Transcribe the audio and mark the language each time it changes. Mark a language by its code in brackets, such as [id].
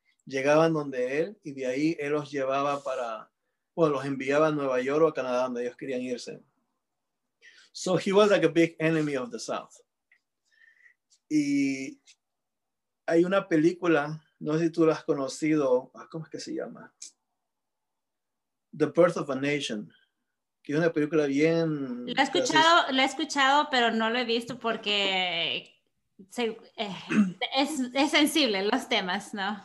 [es] Llegaban donde él y de ahí él los llevaba para, bueno, los enviaba a Nueva York o a Canadá donde ellos querían irse. [en] So he was like a big enemy of the South. [es] Y hay una película, no sé si tú la has conocido, ¿cómo es que se llama? The Birth of a Nation. Que es una película bien... La he escuchado, pero no lo he visto porque es sensible los temas, ¿no?